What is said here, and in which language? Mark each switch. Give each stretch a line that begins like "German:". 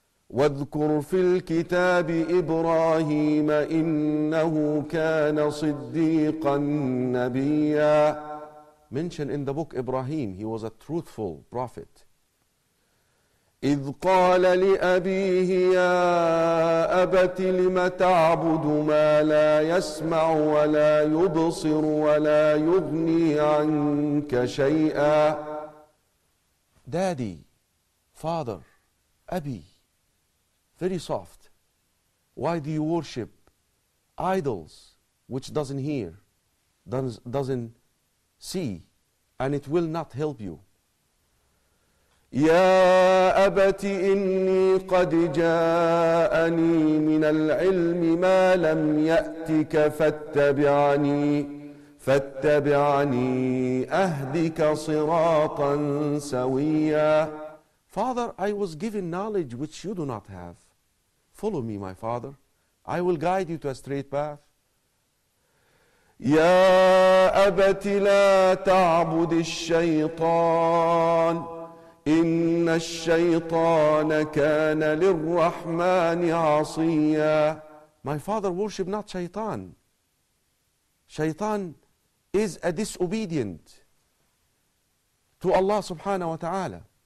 Arabic: واذكر في الكتاب إبراهيم إنه كان صديقا نبيا.
English: Mention in the book Ibrahim, he was a truthful prophet.
Arabic: إذ قال لأبيه يا أبت لم تعبد ما لا يسمع ولا يبصر ولا يغني عنك شيئا.
English: Daddy, father, أبي. Very soft. Why do you worship idols which doesn't hear, doesn't see, and it will not help you?
Arabic: يا أبت إني قد جاءني من العلم ما لم يأتك فاتبعني أهدك صراطا سويا.
English: Father, I was given knowledge which you do not have. Follow me, my father. I will guide you to a straight path.
Arabic: يا أبت لا تعبد الشيطان إن الشيطان كان للرحمن عصيا.
English: My father, worship not Shaitan. Shaitan is a disobedient to Allah subhanahu wa ta'ala.